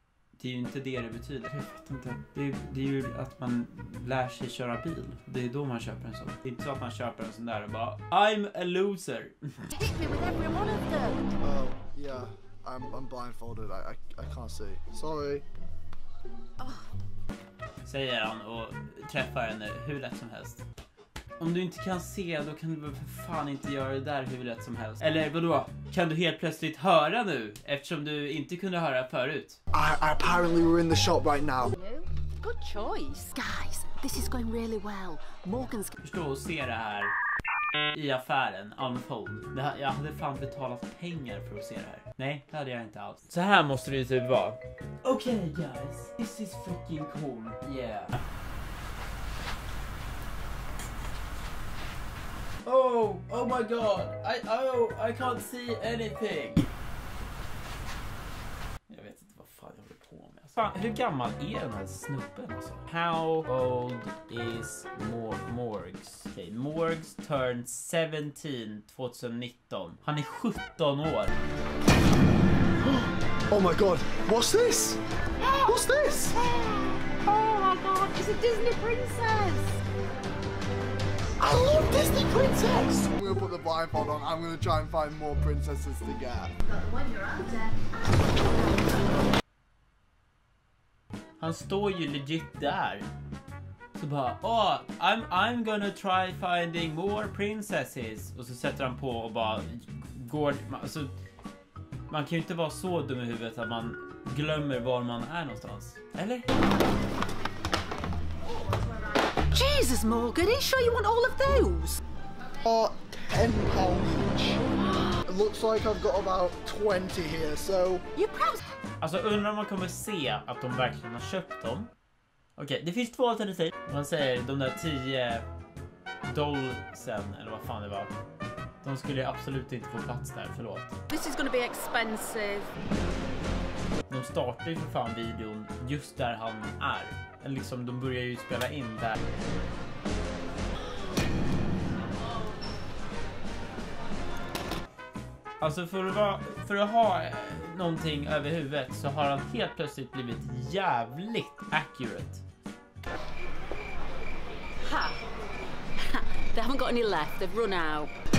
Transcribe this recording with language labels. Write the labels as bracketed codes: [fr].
[sv] Det är ju inte det det betyder. Jag vet inte. Det är ju att man lär sig köra bil. Det är då man köper en sån. Det är inte så att man köper en sån där och bara [en] I'm a loser. Hit me with every one of them. Yeah, I'm blindfolded. I can't see. Sorry. [sv] Säger han och träffar henne hur lätt som helst. Om du inte kan se, då kan du för fan inte göra det där hur lätt som helst. Eller vadå? Kan du helt plötsligt höra nu? Eftersom du inte kunde höra förut. [en] I apparently we're in the shop right now. Good choice. Guys, this is going really well. Morgan's... [sv] Förstå och se det här i affären, unfold. Det här, jag hade fan betalat pengar för att se det här. Nej, det hade jag inte alls. Så här måste det ju typ vara. [en] Okay guys, this is fucking cool. Yeah. Oh my god. I can't see anything. [sv] Jag vet inte vad fan jag håller på med. Fan, hur gammal är den här snubben alltså? [en] How old is Morgs? Okay, Morgs turned 17 2019. [sv] Han är 17 år. [en] Oh my god. What's this? What's this? Oh my god, it's a Disney princess. I love Disney princess. I'm gonna put the blindfold on. I'm gonna try and find more princesses to get. Got the one you're after. [sv] Han står ju legit där. Så bara, [en] I'm gonna try finding more princesses. [sv] Och så sätter han på och bara går, alltså, man kan ju inte vara så dum i huvudet att man glömmer var man är någonstans. Eller? [en] Jesus Morgan, are you sure you want all of those? £10 each. It looks like I've got about 20 here, so... You perhaps... [sv] Alltså, undrar om man kommer se att de verkligen har köpt dem. Okej, det finns två alternativ. Man säger de där 10 dollsen, eller vad fan det var. De skulle ju absolut inte få plats där, förlåt. [en] This is gonna be expensive. [sv] De startar ju för fan videon just där han är. Eller liksom, de börjar ju spela in där. Alltså för att ha någonting över huvudet så har han helt plötsligt blivit jävligt accurate. Ha! [en] They haven't got any left, they've run out.